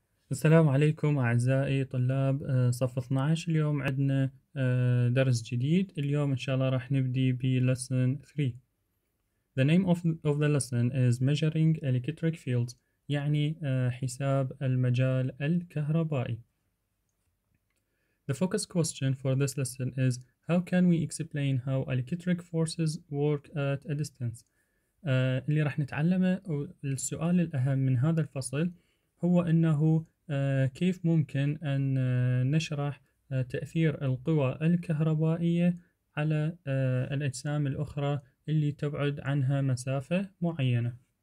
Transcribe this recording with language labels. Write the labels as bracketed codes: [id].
[ar] السلام عليكم أعزائي طلاب صف 12. اليوم عندنا درس جديد. اليوم إن شاء الله راح نبدي بـ lesson 3. [en] The name of the lesson is measuring electric fields, [ar] يعني حساب المجال الكهربائي. [en] The focus question for this lesson is how can we explain how electric forces work at a distance. [ar] اللي راح نتعلمه السؤال الأهم من هذا الفصل هو أنه كيف ممكن أن نشرح تأثير القوى الكهربائية على الأجسام الأخرى اللي تبعد عنها مسافة معينة.